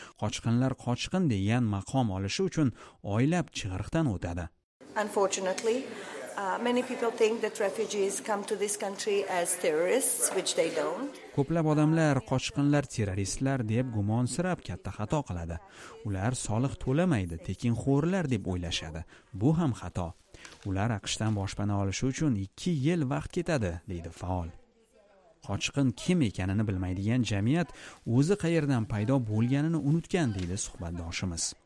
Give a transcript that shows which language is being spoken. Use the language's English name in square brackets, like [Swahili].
[Uzbek] Qochqinlar qochqin degan maqom olishi uchun oylab chig'irdan o'tadi. [English] Unfortunately, many people think that refugees come to this country as terrorists, which they don't. [Uzbek] Ko'plab odamlar qochqinlar terroristlar deb gumonsirab katta xato qiladi. Ular soliq to'lamaydi, tekinxo'rlar deb o'ylashadi. Bu ham xato. Ular AQShdan boshpana olishi uchun 2 yil vaqt ketadi, deydi faol. Qochqin kim ekanini bilmaydigan jamiyat o'zi qayerdan paydo bo'lganini unutgan, deydi suhbatdoshimiz.